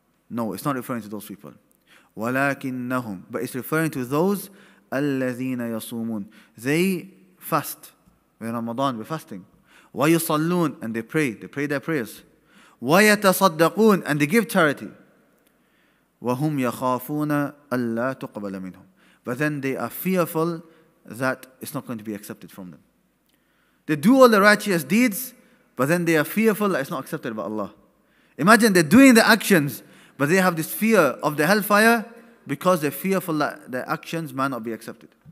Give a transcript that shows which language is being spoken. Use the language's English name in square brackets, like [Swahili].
[English] No, it's not referring to those people. [Arabic] وَلَكِنَّهُمْ [English] But it's referring to those [Arabic] الَّذِينَ يَصُومُونَ [English] They fast. In Ramadan, we're fasting. [Arabic] ويصلون, [English] and they pray. They pray their prayers. [Arabic] ويتصدقون, [English] and they give charity. [Arabic] وهم يخافون ألا تقبل منهم. [English] But then they are fearful that it's not going to be accepted from them. They do all the righteous deeds, but then they are fearful that it's not accepted by Allah. Imagine they're doing the actions, but they have this fear of the hellfire because they're fearful that their actions might not be accepted.